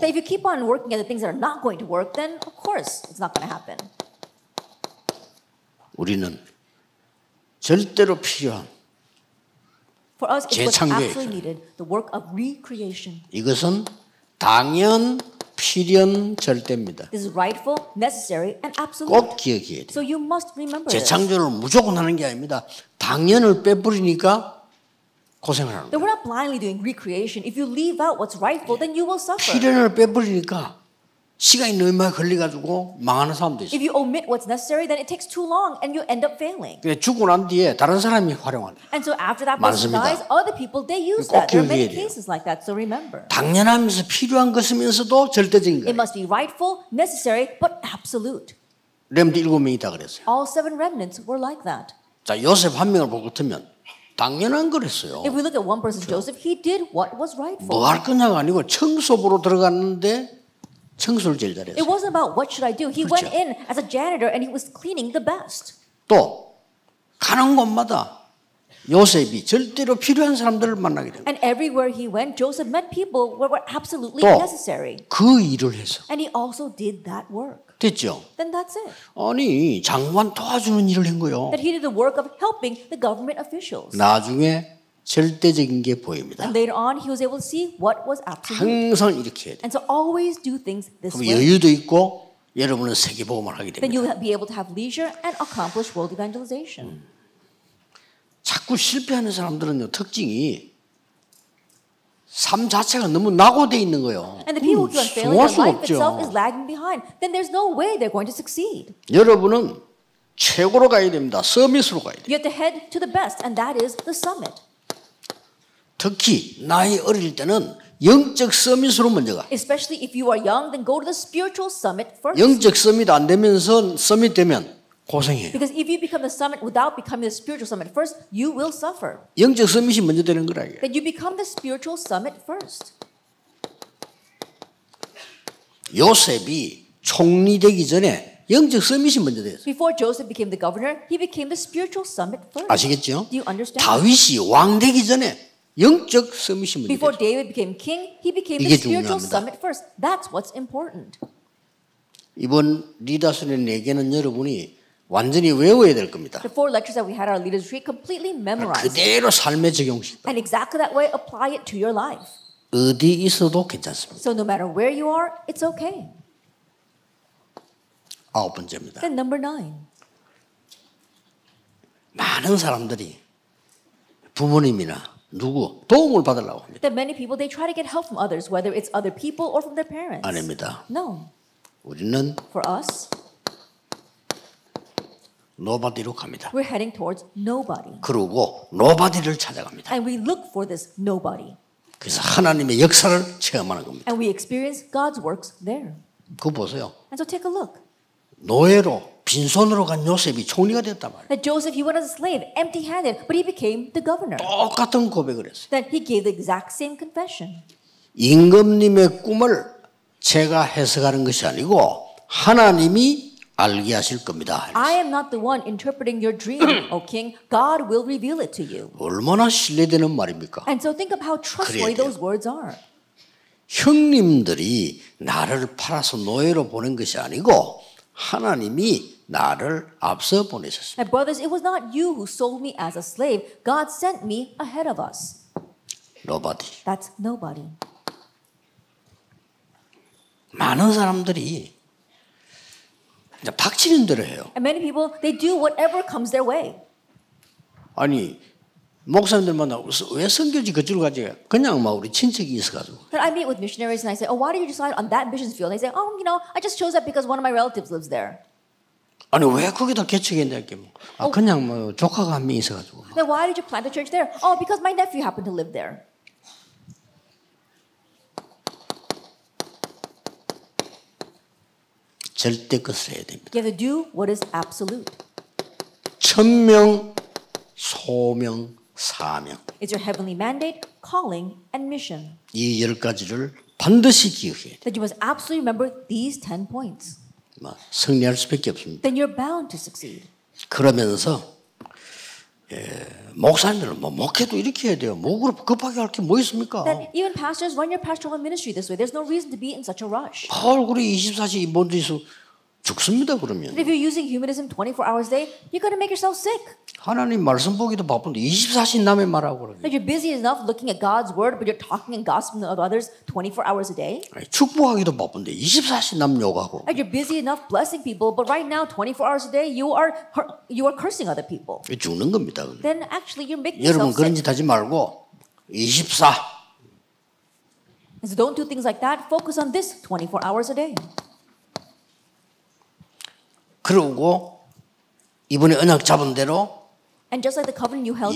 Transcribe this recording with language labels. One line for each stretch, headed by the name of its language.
English: But if you keep on working at the things that are not going to work, then of course it's not going to happen.
Korean: 우리는 절대로 필요한
English: For us, it was absolutely needed the work of recreation.
Korean: 이것은 당연 필연 절대입니다.
English: This is rightful, necessary, and absolute.
Korean: 꼭 기억해야 돼요.
English: So you must remember.
Korean: 재창조를 무조건 하는 게 아닙니다. 당연을 빼버리니까 고생을 합니다.
English: Then we're not blindly doing recreation. If you leave out what's rightful, then you will suffer.
Korean: 필연을 빼버리니까 시간이 너무 많이 걸려가지고 망하는 사람도 있어요.
English: If you omit what's necessary, then it takes too long, and you end up failing.
Korean: 죽고 난 뒤에 다른 사람이 활용한다.
English: And so after that person dies, other people they use that. There are many cases like that, so remember.
Korean: 당연하면서 필요한 것이면서도 절대적인 거예요.
English: It must be rightful, necessary, but absolute.
Korean: 렘드 일곱 명이 다 그랬어요.
English: All seven remnants were like that.
Korean: 자 요셉 한 명을 보고 틀면 당연한 거랬어요.
English: If we look at one person, Joseph, he did what was rightful.
Korean: 뭐 할 거냐가 아니고 청소부로 들어갔는데. 청소를 제일 잘했어요.
English: It wasn't about what should I do. He
Korean: 그렇죠.
English: went in as a janitor and he was cleaning the best.
Korean: 또 가는 곳마다 요셉이 절대로 필요한 사람들을 만나게 됩니다.
English: And everywhere he went, Joseph met people who were absolutely necessary.
Korean: 그 일을 해서.
English: And he also did that work.
Korean: 됐죠?
English: Then that's it.
Korean: 아니, 장관 도와주는 일을 한 거요.
English: That he did the work of helping the government officials.
Korean: 나중에 절대적인 게 보입니다.
English: And later on, he was able to see what was absolute.
Korean: 항상 이렇게 해야 돼.
English: And so always do things this way.
Korean: 그럼 여유도 있고 여러분은 세계복음을 하게 됩니다.
English: Then you'll be able to have leisure and accomplish world evangelization.
Korean: 자꾸 실패하는 사람들은요 특징이 삶 자체가 너무 낙오돼 있는 거예요.
English: And the people who are failing, their life itself is lagging behind. Then there's no way they're going to succeed.
Korean: 여러분은 최고로 가야 됩니다. 서밋으로 가야 돼.
English: You have to head to the best, and that is the summit.
Korean: 특히 나이 어릴 때는 영적 서밋으로 먼저 가.
English: Especially if you are young, then go to the spiritual summit first.
Korean: 영적 서밋 안 되면서 서밋 되면 고생해요.
English: Because if you become the summit without becoming the spiritual summit first, you will suffer.
Korean: 영적 서밋이 먼저 되는 거라 이게.
English: Then you become the spiritual summit first.
Korean: 요셉이 총리 되기 전에 영적 서밋이 먼저 됐어요.
English: Before Joseph became the governor, he became the spiritual summit first.
Korean: 아시겠죠?
English: Do you understand?
Korean: 다윗이 왕 되기 전에 영적 서밋이 문제죠.
English: Before David became king, he became the spiritual
Korean: 중요합니다.
English: summit first. That's what's important.
Korean: 이번 리더스의 네 개는 여러분이 완전히 외워야 될 겁니다.
English: The four lectures that we had our leaders read completely memorized.
Korean: 그대로 삶에 적용시켜.
English: And exactly that way, apply it to your life.
Korean: 어디 있어도 괜찮습니다.
English: So no matter where you are, it's okay.
Korean: 아홉 번째입니다.
English: Then number nine.
Korean: 많은 사람들이 부모님이나 누구 도움을 받으려고 합니다.
English: That many people they try to get help from others, whether it's other people or from their parents.
Korean: 아닙니다.
English: No.
Korean: 우리는
English: for us,
Korean: nobody로 갑니다.
English: We're heading towards nobody.
Korean: 그리고 nobody를 찾아갑니다.
English: And we look for this nobody.
Korean: 그래서 하나님의 역사를 체험하는 겁니다.
English: And we experience God's works there.
Korean: 그 보세요.
English: And so take a look.
Korean: 노예로 빈손으로 간 요셉이 총리가 됐다 말이야.
English: That Joseph he went as a slave, empty-handed, but he became the governor.
Korean: 똑같은 고백을 했어.
English: That he gave the exact same confession.
Korean: 임금님의 꿈을 제가 해석하는 것이 아니고 하나님이 알게 하실 겁니다. 그랬어.
English: I am not the one interpreting your dream, O king. God will reveal it to you.
Korean: 얼마나 신뢰되는 말입니까?
English: And so think of how trustworthy those words are.
Korean: 형님들이 나를 팔아서 노예로 보낸 것이 아니고 하나님이 나를 앞서 보내셨습니다.
English: My brothers, it was not you who sold me as a slave. God sent me ahead of us. Nobody. That's nobody.
Korean: 많은 사람들이 이제 닥치는 대로 해요.
English: And many people, they do whatever comes their way.
Korean: 아니 목사님들 만나 왜 선교지 그쪽 가지? 그냥 막 우리 친척이 있어가지고.
English: But I meet with missionaries and I say, oh, why did you decide on that mission field? They say, oh, you know, I just chose that because one of my relatives lives there.
Korean: 아니 왜 거기다 개척했냐 이렇게 뭐. 아 oh. 그냥 뭐 조카가 한 명 있어가지고. 막.
English: Then why did you plant the church there? Oh, because my nephew happened to live there.
Korean: 절대 것을 해야 됩니다.
English: You have to do what is absolute.
Korean: 천명 소명 사명.
English: It's your heavenly mandate, calling, and mission.
Korean: 이 열 가지를 반드시 기억해.
English: That you must absolutely remember these 10 points.
Korean: 뭐 승리할 수밖에 없습니다.
English: Then you're bound to succeed.
Korean: 그러면서 예, 목사님들은 뭐 목회도 이렇게 해야 돼요. 뭐 그렇게 급하게 할 게 뭐 있습니까?
English: Then even pastors run your pastoral ministry this way. There's no reason to be in such a rush.
Korean: 얼굴이 24시 뭔지 있어. 죽습니다 그러면.
English: If you're using humanism 24 hours a day, you're going to make yourself sick.
Korean: 하나님 말씀 보기도 바쁜데 24시 남의 말하고 그러면.
English: But you're busy enough looking at God's word, but you're talking and gossiping of others 24 hours a day.
Korean: 축복하기도 바쁜데 24시 남 욕하고.
English: And you're busy enough blessing people, but right now 24 hours a day you are cursing other people.
Korean: 죽는 겁니다. 그러면.
English: Then actually you're making yourself
Korean: 여러분 그런 짓 하지 말고 24.
English: So don't do things like that. Focus on this 24 hours a day.
Korean: 그리고 이번에 언약 잡은 대로
English: And just like the covenant you held